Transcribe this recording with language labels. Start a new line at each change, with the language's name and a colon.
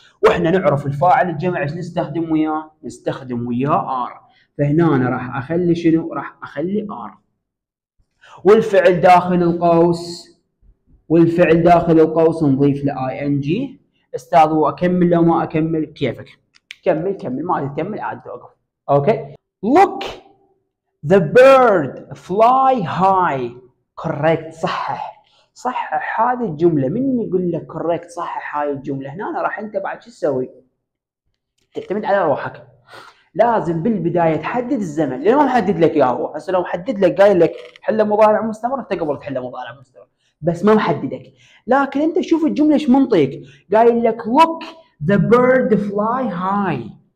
Arabic: واحنا نعرف الفاعل الجمع ايش نستخدم وياه؟ نستخدم وياه ار. فهنا انا راح اخلي شنو؟ راح اخلي ار. والفعل داخل القوس، والفعل داخل القوس نضيف لاي ان جي. استاذ واكمل لو ما اكمل؟ كيفك، كمل كمل، ما تكمل عاد اوقف. اوكي
English: look the bird fly high correct،
Arabic: صحح صحح هذه الجمله. من يقول لك correct صحح هاي الجمله؟ هنا أنا راح انت بعد شو تسوي؟ تعتمد على روحك، لازم بالبدايه تحدد الزمن. لو ما محدد لك اياه هو، هسه لو محدد لك قايل لك حل مضارع مستمر، انت قبل تحل مضارع مستمر بس ما محددك. لكن انت شوف الجمله ايش منطيك، قايل لك
English: look the bird fly high.